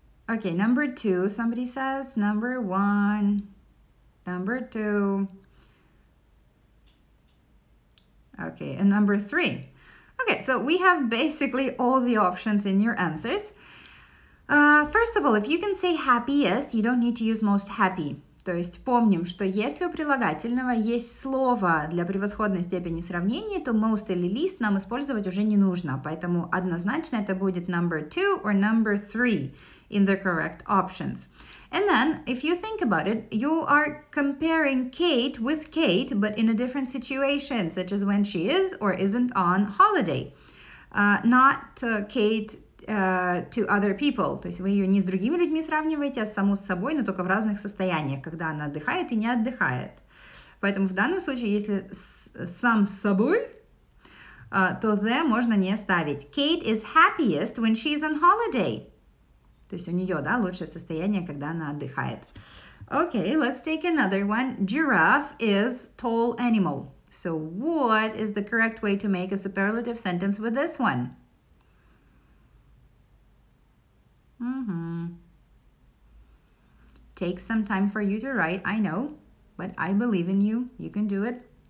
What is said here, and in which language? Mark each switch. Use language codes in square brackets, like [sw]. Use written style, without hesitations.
[en] Okay, number two, somebody says number one, number two. Okay, and number three. Okay, so we have basically all the options in your answers. First of all, if you can say happiest, you don't need to use most happy. [ru] То есть помним, что если у прилагательного есть слово для превосходной степени сравнения, то most или least нам использовать уже не нужно. Поэтому однозначно это будет [en] number two or number three in the correct options. And then, if you think about it, you are comparing Kate with Kate, but in a different situation, such as when she is or isn't on holiday. Not Kate to other people. [ru] То есть вы ее не с другими людьми сравниваете, а саму с собой, но только в разных состояниях, когда она отдыхает и не отдыхает. Поэтому в данном случае, если сам с собой, то the можно не ставить. [en] Kate is happiest when she is on holiday. [ru] То есть у нее, да, лучшее состояние, когда она отдыхает. [en] Okay, let's take another one. Giraffe is tall animal. So what is the correct way to make a superlative sentence with this one? Mm-hmm. Takes some time for you to write, I know. But I believe in you. You can do it.